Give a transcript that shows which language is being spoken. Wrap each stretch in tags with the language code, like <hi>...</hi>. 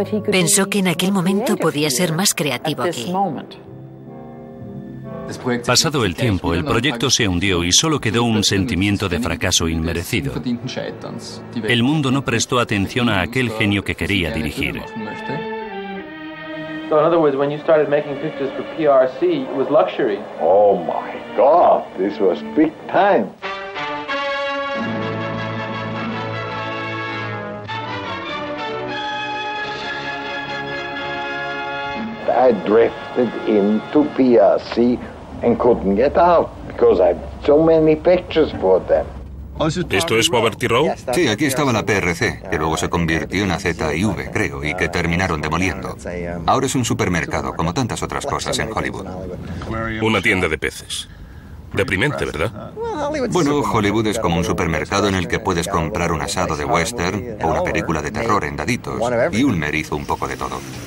<es>Pensó que en aquel momento podía ser más creativo aquí. Pasado el tiempo, el proyecto se hundió y solo quedó un sentimiento de fracaso inmerecido. El mundo no prestó atención a aquel genio que quería dirigir.</es> <en>So in other words, when you started making pictures for PRC, it was luxury. Oh my God, this was big time. I drifted into PRC and couldn't get out because I had so many pictures for them.</en> <es>¿Esto es Poverty Row? Sí, aquí estaba la PRC, que luego se convirtió en ZIV, creo, y que terminaron demoliendo. Ahora es un supermercado, como tantas otras cosas en Hollywood. Una tienda de peces. Deprimente, ¿verdad? Bueno, Hollywood es como un supermercado en el que puedes comprar un asado de western o una película de terror en daditos, y Ulmer hizo un poco de todo.</es>